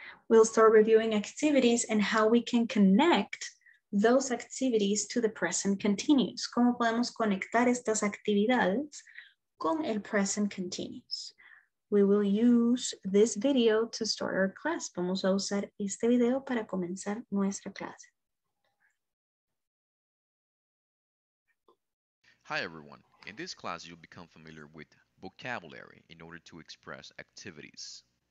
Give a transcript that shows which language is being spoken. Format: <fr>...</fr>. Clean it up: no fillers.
<en>We'll start reviewing activities and how we can connect those activities to the present continuous.</en> <es>¿Cómo podemos conectar estas actividades con el present continuous?</es> <en>We will use this video to start our class.</en> <es>Vamos a usar este video para comenzar nuestra clase.</es> <en>Hi everyone. In this class, you'll become familiar with vocabulary in order to express activities.</en>